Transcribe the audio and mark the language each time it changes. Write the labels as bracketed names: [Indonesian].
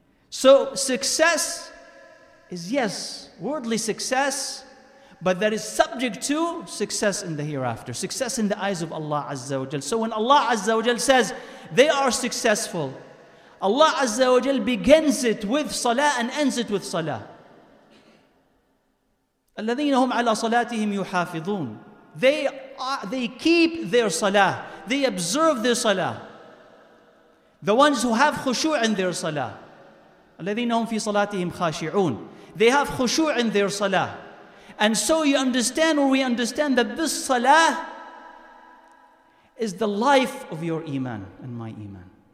[English] So success is, yes, worldly success, but that is subject to success in the hereafter, success in the eyes of Allah Azza wa Jal. So when Allah Azza wa Jal says they are successful, Allah Azza wa Jal begins it with salah and ends it with salah. [Arabic] الَّذِينَ هُمْ عَلَىٰ صَلَاتِهِمْ يُحَافِظُونَ [English] They keep their salah. They observe their salah. The ones who have khushu' in their salah. [Arabic] الَّذِينَ هُمْ فِي صَلَاتِهِمْ خَاشِعُونَ [English] They have khushu' in their salah. And so you understand, or we understand, that this salah is the life of your iman and my iman.